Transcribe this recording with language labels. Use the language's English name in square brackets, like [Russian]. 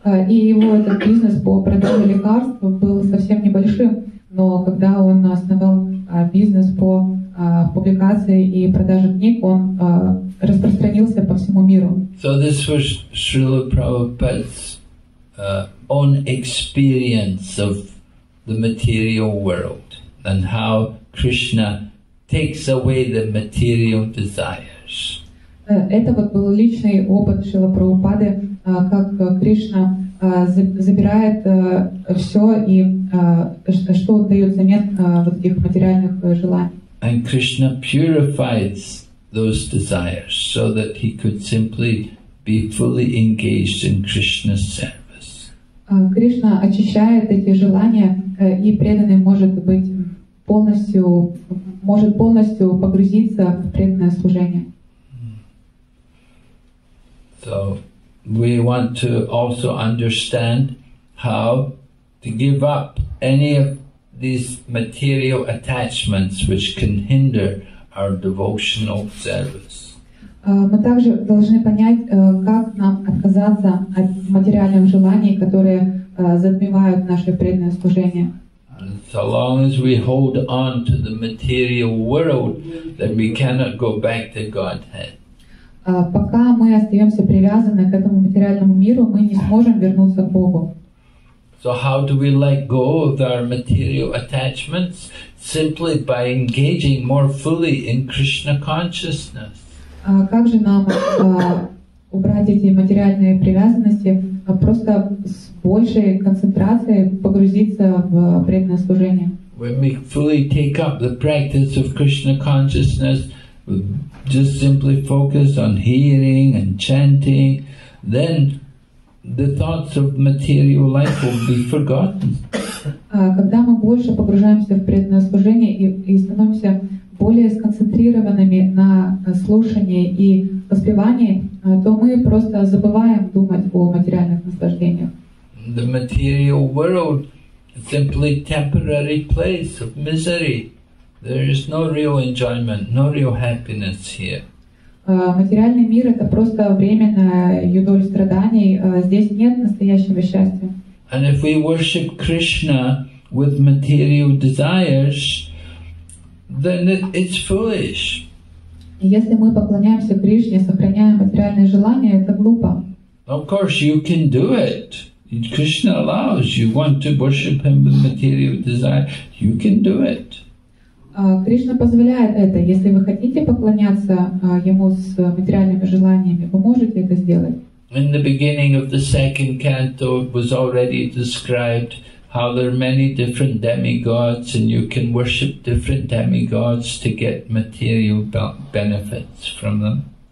[Russian] И его этот бизнес по продаже лекарств был совсем небольшим, но когда он основал бизнес по публикации и продаже книг, он распространился по всему миру. [English] So this was Srila Prabhupada's own experience of the material world and how Krishna takes away the material desires. [Russian] Это вот был личный опыт Шрилы Прабхупады, как Кришна забирает все и что дает взамен вот этих материальных желаний. [English] And Krishna purifies those desires so that he could simply be fully engaged in Krishna's service. [Russian] Кришна очищает эти желания и преданный может быть полностью погрузиться в преданное служение. [English] So we want to also understand how to give up any of these material attachments which can hinder our devotional service. [Russian] Мы также должны понять, как нам отказаться от материальных желаний, которые затмевают наше преданное служение. [English] So long as we hold on to the material world, then we cannot go back to Godhead. [Russian] Пока мы остаемся привязаны к этому материальному миру, мы не сможем вернуться к Богу. [English] So how do we let go of our material attachments? Simply by engaging more fully in Krishna consciousness. [Russian] Как же нам убрать эти материальные привязанности? Просто с большей концентрацией погрузиться в преданное служение. [English] When we fully take up the practice of Krishna consciousness, just simply focus on hearing and chanting, then the thoughts of material life will be forgotten. [Russian] Когда мы больше погружаемся в преданное служение и становимся более сконцентрированными на слушании и воспевании, то мы просто забываем думать о материальных наслаждениях. [English] The material world is simply a temporary place of misery. There is no real enjoyment, no real happiness here. [Russian] Материальный мир — это просто временная юдоль страданий. Здесь нет настоящего счастья. [English] And if we worship Krishna with material desires, then it's foolish. [Russian] Если мы поклоняемся Кришне, сохраняем материальные желания, это глупо. [English] Of course, you can do it. Krishna allows you want to worship Him with material desire. You can do it. [Russian] Кришна позволяет это. Если вы хотите поклоняться Ему с материальными желаниями, вы можете это сделать. [English] In the beginning of the second canto was already described how there are many different demigods and you can worship different demigods to get material benefits from them.